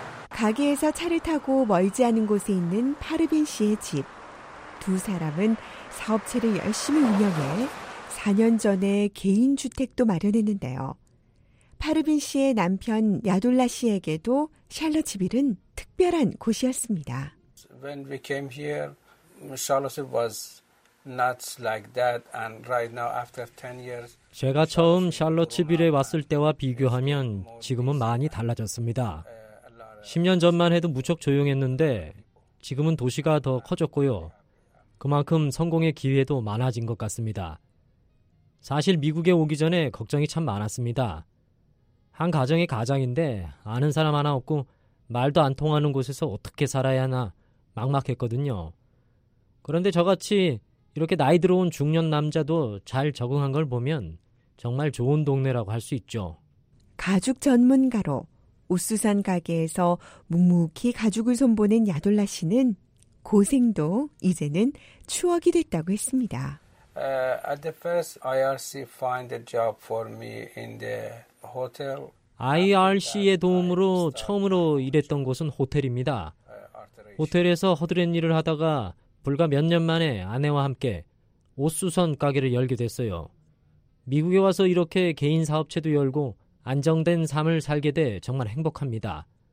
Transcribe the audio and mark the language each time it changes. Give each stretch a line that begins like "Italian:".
Korean: 가게에서 차를 타고 멀지 않은 곳에 있는 파르빈 씨의 집. 두 사람은 사업체를 열심히 운영해 4년 전에 개인주택도 마련했는데요. 파르빈 씨의 남편 야돌라 씨에게도 샬럿빌은 특별한 곳이었습니다.
English: When we came here, Charlottesville was not like that. And right now, after 10 years,
Korean: 제가 처음 샬럿빌에 왔을 때와 비교하면 지금은 많이 달라졌습니다. 10년 전만 해도 무척 조용했는데 지금은 도시가 더 커졌고요. 그만큼 성공의 기회도 많아진 것 같습니다. 사실 미국에 오기 전에 걱정이 참 많았습니다. 한 가정의 가장인데 아는 사람 하나 없고 말도 안 통하는 곳에서 어떻게 살아야 하나 막막했거든요. 그런데 저같이 이렇게 나이 들어온 중년 남자도 잘 적응한 걸 보면 정말 좋은 동네라고 할 수 있죠. 가죽 전문가로 우스산 가게에서 묵묵히 가죽을 손보낸 야돌라 씨는 고생도 이제는 추억이 됐다고 했습니다.
English: At the first, IRC find a job for me in the hotel.
Korean: IRC의 도움으로 처음으로 일했던 곳은 호텔입니다. 호텔에서 허드렛 일을 하다가 불과 몇 년 만에 아내와 함께 옷수선 가게를 열게 됐어요. 미국에 와서 이렇게 개인 사업체도 열고 안정된 삶을 살게 돼 정말 행복합니다.